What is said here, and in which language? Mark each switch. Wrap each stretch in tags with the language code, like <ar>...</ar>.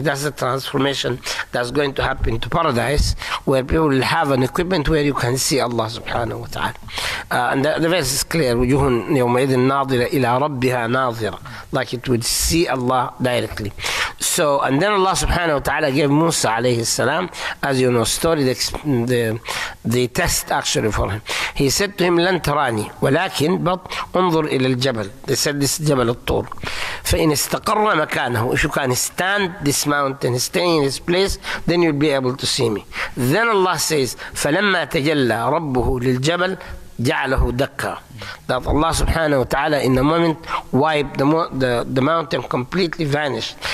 <en>That's the transformation that's going to happen to paradise, where people will have an equipment where you can see Allah subhanahu wa ta'ala. And the verse is clear,</en> <ar>وَجُهٌ يَوْمَئِذٍ نَاظِرَ إِلَىٰ رَبِّهَا نَاظِرَ,</ar> <en>like it would see Allah directly. So, and then Allah subhanahu wa ta'ala gave Musa alayhi salam, as you know, story, the test actually for him. He said to him,</en> <ar>"لن تراني ولكن</ar> <en>but</en> <ar>انظر إلى الجبل."</ar> <en>They said this جبل الطور.</en> <ar>فإن استقر مكانه,</ar> <en>if you can stand this mountain, stay in this place, then you'll be able to see me. Then Allah says,</en> <ar>فلما تجلى ربه للجبل جعله دكا,</ar> <en>that Allah subhanahu wa ta'ala in a moment wiped the mountain, completely vanished.</en>